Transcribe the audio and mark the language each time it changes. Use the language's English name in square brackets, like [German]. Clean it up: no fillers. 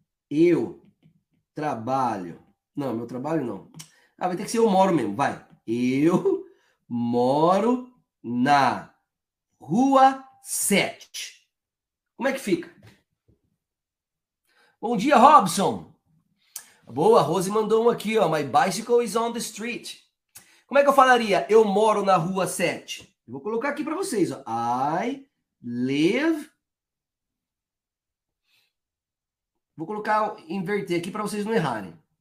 [Portuguese] Eu trabalho. Não, meu trabalho não. Ah, vai ter que ser eu moro mesmo. Vai. Eu moro na rua 7. Como é que fica? Bom dia, Robson. Boa, a Rose mandou um aqui, ó. [English] My bicycle is on the street. [Portuguese] Como é que eu falaria? Eu moro na rua 7. Eu vou colocar aqui para vocês, ó. [English] I live. [Portuguese] Vou colocar, inverter aqui para vocês não errarem.